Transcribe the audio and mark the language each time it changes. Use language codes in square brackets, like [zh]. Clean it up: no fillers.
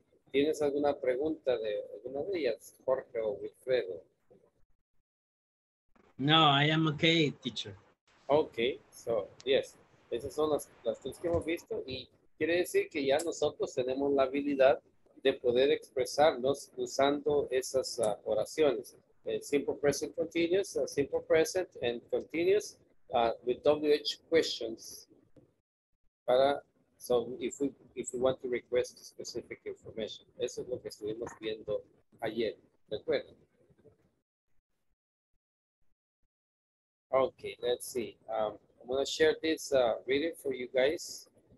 [es] ¿Tienes alguna pregunta de alguna de ellas, Jorge o Wilfredo? [en] No, I am okay, teacher. Okay, so, yes. [es] Esas son las tres que hemos visto y quiere decir que ya nosotros tenemos la habilidad de poder expresarnos usando esas oraciones. [en] Simple present continuous, simple present and continuous with WH questions. So if we want to request specific information, [es] eso es lo que estuvimos viendo ayer, ¿de acuerdo? [en] Okay, let's see. I'm gonna share this reading for you guys.